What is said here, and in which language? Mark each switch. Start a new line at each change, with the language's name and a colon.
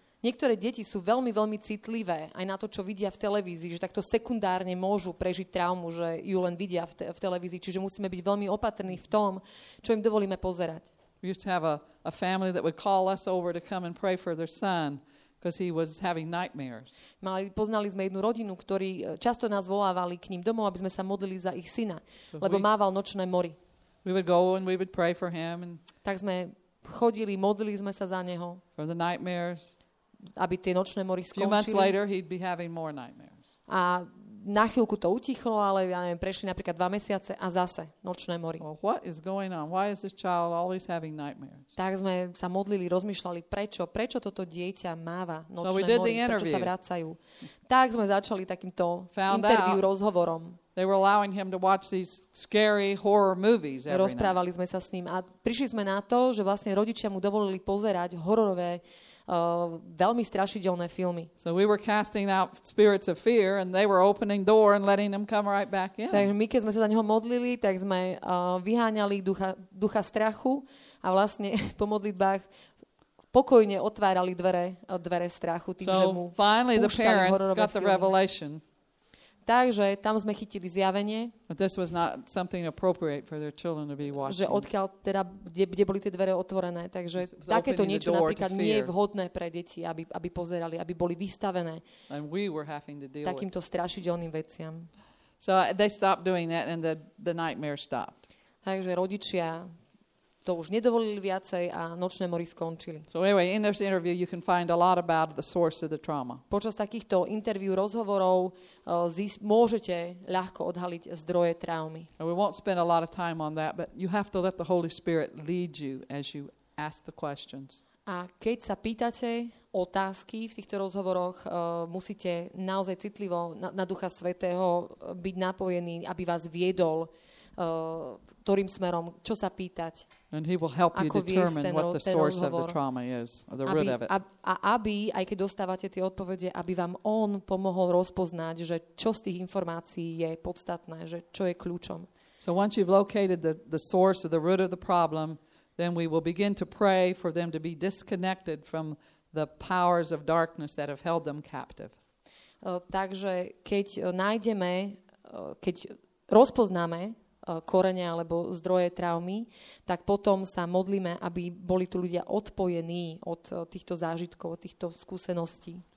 Slovak: Niektoré deti sú veľmi, veľmi citlivé aj na to, čo vidia v televízii, že takto sekundárne môžu prežiť traumu, že ju len vidia v televízii. Čiže musíme byť veľmi opatrní v tom, čo im dovolíme pozerať.
English: We used to have a family that would call us over to come and pray for their son because he was having nightmares.
Slovak: Poznali sme jednu rodinu, ktorí často nás volávali k ním domov, aby sme sa modlili za ich syna, lebo mával nočné mory.
English: We would go and we would pray for him.
Slovak: Tak sme chodili, modlili sme sa za neho.
English: For the nightmares.
Slovak: Aby tie nočné mory skončili.
English: Few months later, he'd be having more nightmares.
Slovak: A na chvíľku to utichlo, ale ja neviem, prešli napríklad 2 mesiace a zase nočné mory.
English: Well, what is going on? Why is this child always having nightmares?
Slovak: Tak sme sa modlili, rozmýšľali, prečo toto dieťa máva nočné mory, prečo sa vracajú. Tak sme začali takýmto interview rozhovorom.
English: They were allowing him to watch these scary horror movies every
Slovak: Rozprávali sme sa s ním a prišli sme na to, že vlastne rodičia mu dovolili pozerať hororové veľmi strašidelné filmy.
English: So we were casting out spirits of fear and they were opening door and letting them come right back in.
Slovak: Takže my keď sme sa za neho modlili, tak sme vyháňali ducha strachu a vlastne po modlitbách pokojne otvárali dvere strachu tým,
English: so
Slovak: že mu
English: finally the parents
Slovak: hororové
English: got the
Slovak: filmy.
English: Revelation.
Slovak: Takže tam sme chytili zjavenie.
English: But this was not something appropriate for their children to be watching.
Slovak: Že odkiaľ teda kde boli tie dvere otvorené, takže takéto niečo napríklad nie je vhodné pre deti, aby pozerali, aby boli vystavené.
English: And we were having to deal
Slovak: takýmto strašidelným veciam.
English: So they stopped doing that and the nightmare stopped.
Slovak: Takže rodičia to už nedovolili viacej a nočné mory skončili.
English: So anyway, in this interview you can find a lot about the source of the trauma.
Slovak: Počas takýchto interview rozhovorov môžete ľahko odhaliť zdroje traumy.
English: And we won't spend a lot of time on that, but you have to let the Holy Spirit lead you as you ask the questions.
Slovak: A keď sa pýtate otázky v týchto rozhovoroch, musíte naozaj citlivo na Ducha Svätého byť napojený, aby vás viedol ktorým smerom, čo sa pýtať.
English: And he will help you determine what the source of the trauma is, or the root of it.
Slovak: Aby, aj keď dostávate tie odpovede, aby vám on pomohol rozpoznať, že čo z tých informácií je podstatné, že čo je kľúčom.
English: So once you've located the source of the root of the problem, then we will begin to pray for them to be disconnected from the powers of darkness that have held them captive.
Slovak: Takže keď nájdeme, keď rozpoznáme korene alebo zdroje traumy, tak potom sa modlíme, aby boli tu ľudia odpojení od týchto zážitkov, od týchto skúseností.